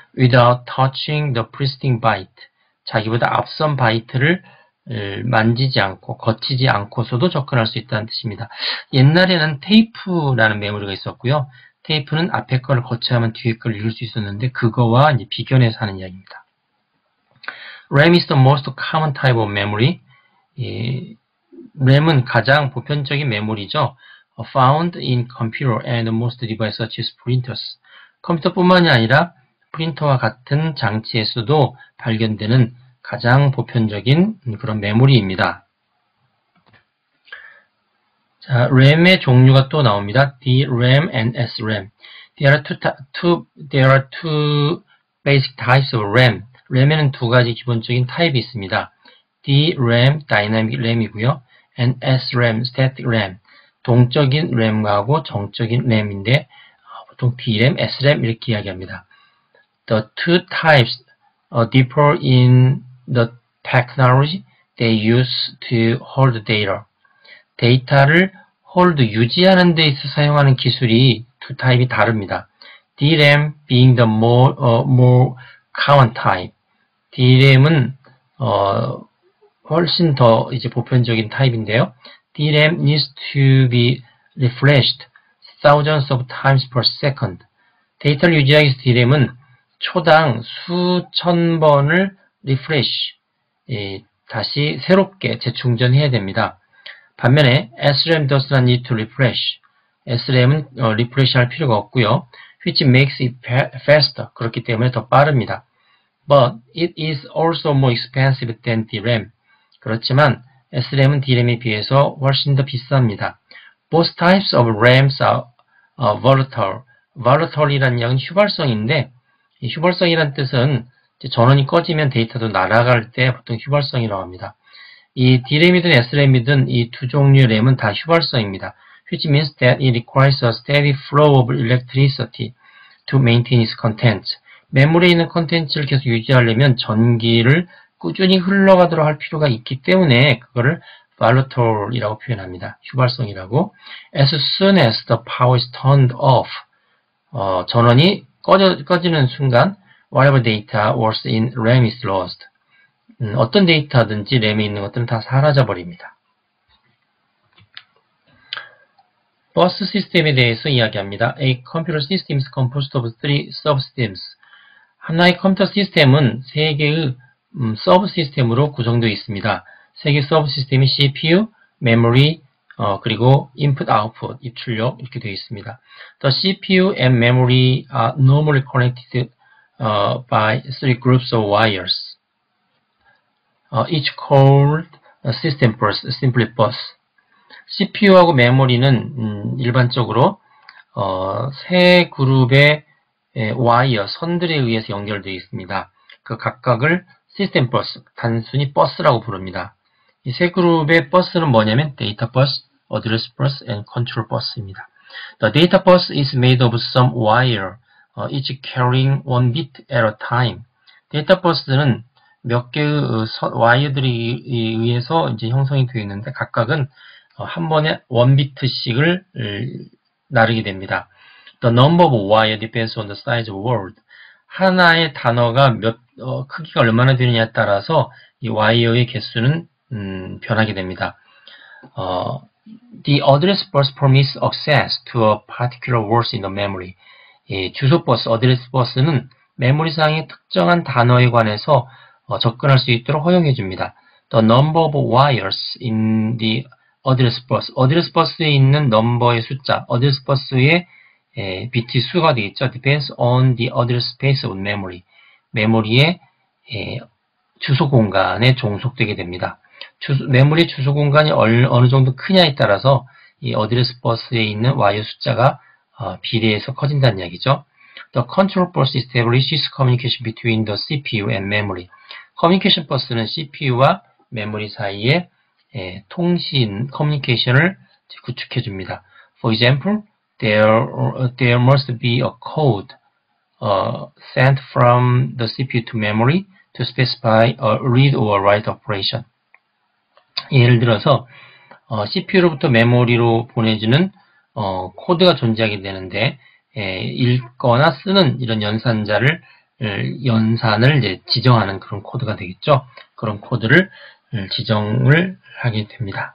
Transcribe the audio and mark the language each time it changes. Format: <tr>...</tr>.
<en>Without touching the preceding byte.</en> <ko>자기보다 앞선 바이트를 만지지 않고, 거치지 않고서도 접근할 수 있다는 뜻입니다. 옛날에는 테이프라는 메모리가 있었고요. 테이프는 앞에 거를 거쳐야만 뒤에 거를 읽을 수 있었는데, 그거와 이제 비견해서 하는 이야기입니다.</ko> <en>RAM is the most common type of memory.</en> <ko>RAM은 가장 보편적인 메모리죠.</ko> <en>Found in computer and most devices such as printers.</en> <ko>컴퓨터뿐만이 아니라 프린터와 같은 장치에서도 발견되는 가장 보편적인 그런 메모리입니다. 자, RAM의 종류가 또 나옵니다.</ko> <en>DRAM and SRAM. There are two basic types of RAM.</en> <ko>RAM에는 두 가지 기본적인 타입이 있습니다.</ko> <en>DRAM, Dynamic RAM이고요. And SRAM, Static RAM.</en> <ko>동적인 RAM과 하고 정적인 RAM인데 보통 DRAM, SRAM 이렇게 이야기합니다.</ko> <en>The two types differ in the technology they use to hold data.</en> <ko>데이터를 hold, 유지하는 데 있어 사용하는 기술이 두 타입이 다릅니다.</ko> <en>DRAM being the more common type.</en> <ko>DRAM은 훨씬 더 이제 보편적인 타입인데요.</ko> <en>DRAM needs to be refreshed thousands of times per second.</en> <ko>데이터를 유지하기 위해서 DRAM은 초당 수천 번을 refresh, 다시 새롭게 재충전해야 됩니다. 반면에</ko> <en>SRAM does not need to refresh.</en> <ko>SRAM은 refresh 할 필요가 없고요.</ko> <en>Which makes it faster.</en> <ko>그렇기 때문에 더 빠릅니다.</ko> <en>But it is also more expensive than DRAM.</en> <ko>그렇지만 SRAM은 DRAM에 비해서 훨씬 더 비쌉니다.</ko> <en>Both types of RAMs are volatile.</en> <ko>Volatile이라는 약은 휘발성인데 휘발성이라는 뜻은 전원이 꺼지면 데이터도 날아갈 때 보통 휘발성이라고 합니다. 이 DRAM이든 SRAM이든 이 두 종류의 RAM은 다 휘발성입니다.</ko> <en>Which means that it requires a steady flow of electricity to maintain its contents.</en> <ko>메모리에 있는 컨텐츠를 계속 유지하려면 전기를 꾸준히 흘러가도록 할 필요가 있기 때문에 그거를 volatile이라고 표현합니다. 휘발성이라고.</ko> <en>As soon as the power is turned off,</en> <ko>전원이 꺼지는 순간,</ko> <en>whatever data was in RAM is lost.</en> <ko>어떤 데이터든지 램에 있는 것들은 다 사라져버립니다. 버스 시스템에 대해서 이야기합니다.</ko> <en>A computer system is composed of three subsystems.</en> <ko>하나의 컴퓨터 시스템은 세 개의 서브 시스템으로 구성되어 있습니다. 세 개의 서브 시스템이 CPU, 메모리, 그리고 input, output, 입출력 이렇게 되어 있습니다.</ko> <en>The CPU and memory are normally connected by three groups of wires. Each called a system bus, simply bus.</en> <ko>CPU하고 메모리는 일반적으로 세 그룹의 와이어, 선들에 의해서 연결되어 있습니다. 그 각각을 시스템 버스, 단순히 버스라고 부릅니다. 이 세 그룹의 버스는 뭐냐면 데이터 버스, 어드레스 버스, 앤 컨트롤 버스입니다.</ko> <en>The data bus is made of some wire, each carrying one bit at a time.</en> <ko>데이터 버스는 몇 개의 와이어들이 의해서 이제 형성이 되어 있는데 각각은 한 번에 1비트씩을 나르게 됩니다.</ko> <en>The number of wire depends on the size of word.</en> <ko>하나의 단어가 크기가 얼마나 되느냐에 따라서 이 와이어의 개수는 변하게 됩니다.</ko> <en>The address bus permits access to a particular word in the memory.</en> <ko>이 주소 버스, address bus는 메모리 상의 특정한 단어에 관해서 접근할 수 있도록 허용해 줍니다.</ko> <en>The number of wires in the address bus.</en> <ko>address bus에 있는 넘버의 숫자, address bus의 비트 수가 되겠죠.</ko> <en>depends on the address space of memory.</en> <ko>메모리의 주소 공간에 종속되게 됩니다. 메모리 주소 공간이 어느 정도 크냐에 따라서 이 address bus에 있는 와이어 숫자가 비례해서 커진다는 이야기죠.</ko> <en>The control bus establishes communication between the CPU and memory.</en> <ko>커뮤니케이션 버스는 CPU와 메모리 사이에 통신, 커뮤니케이션을 구축해 줍니다.</ko> <en>For example, there must be a code sent from the CPU to memory to specify a read or write operation.</en> <ko>예를 들어서 CPU로부터 메모리로 보내지는 코드가 존재하게 되는데 읽거나 쓰는 이런 연산을 이제 지정하는 그런 코드가 되겠죠. 그런 코드를 지정을 하게 됩니다.</ko>